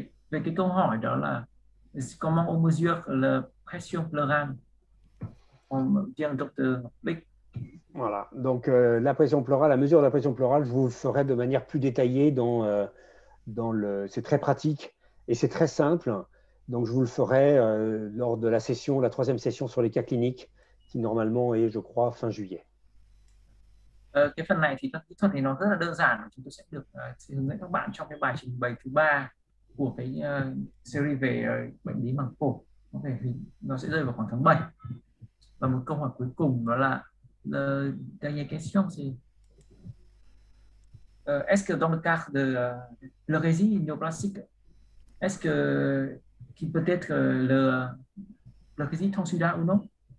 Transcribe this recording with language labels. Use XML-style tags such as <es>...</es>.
<vi>Về cái câu hỏi đó là</vi> <fr>comment on mesure la pression pleurale? On vient docteur Voilà, donc la pression pleurale, la mesure de la pression pleurale, je vous le ferai de manière plus détaillée dans, dans le. C'est très pratique et c'est très simple. Donc je vous le ferai lors de la session, la troisième session sur les cas cliniques, qui normalement est, je crois, fin juillet.</fr> <vi>cái phần này thì các kỹ thuật thì nó rất là đơn giản, chúng tôi sẽ được hướng dẫn các bạn trong cái bài trình bày thứ ba của cái series về bệnh lý màng phổi, có thể thì nó sẽ rơi vào khoảng tháng 7. Và một câu hỏi cuối cùng đó là</vi> <fr>dernière question c'est est-ce que dans le cas de pleurésie neoplastique est-ce que qui peut être le pleurésie tonsillaire ou non?</fr>